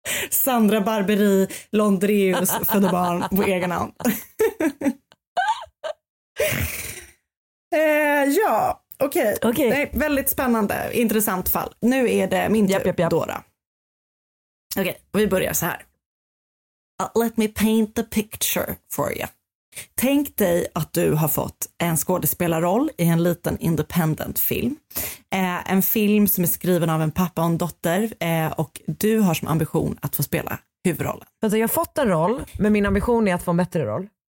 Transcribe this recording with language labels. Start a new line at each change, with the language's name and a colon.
Swedish: Sandra Barberi Londrius födde barn på egen hand. ja, okej.
English: Okay.
Swedish: Okay. Väldigt spännande, intressant fall. Nu är det min tur, Dora. Okej, okay, vi börjar så här.
English: Let me paint the picture for you.
Swedish: Tänk dig att du har fått en skådespelarroll i en liten independent film. En film som är skriven av en pappa och en dotter och du har som ambition att få spela huvudrollen. Alltså jag har fått en roll, men min ambition är att få en bättre roll.